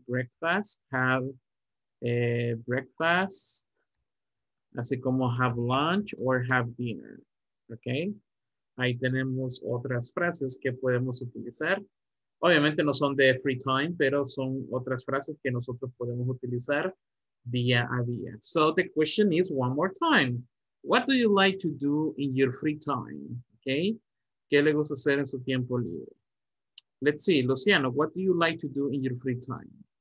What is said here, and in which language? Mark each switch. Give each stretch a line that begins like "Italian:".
English: Breakfast, have breakfast,
Spanish: así como
English: have lunch or have dinner, ¿ok?
Spanish: Ahí tenemos otras frases que podemos utilizar. Obviamente no son de
English: free time,
Spanish: pero son otras frases que nosotros podemos utilizar día a día.
English: So the question is one more time. What do you like to do in your free time? Okay.
Spanish: ¿Qué le gusta hacer en su tiempo libre?
English: Let's see. Luciano, what do you like to do in your free time?